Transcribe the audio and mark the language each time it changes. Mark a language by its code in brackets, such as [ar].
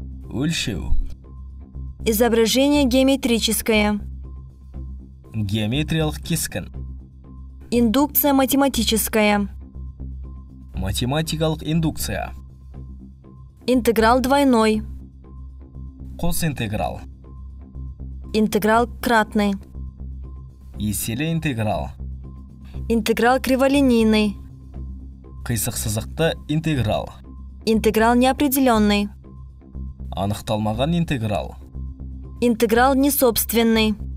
[kk] Өлшеу. [ru] Изображение геометрическое. [kk] Геометриялық кескін. [ru] Индукция математическая. [kk] Математикалық индукция. [ru] Интеграл двойной. [kk] Қос интеграл. [ru] Интеграл кратный. [kk] Еселі интеграл. [ru] Интеграл криволинейный. [kk] Қисық-сызықты интеграл. [ru] Интеграл неопределенный. [kk] Анықталмаған интеграл. [ru] Интеграл несобственный.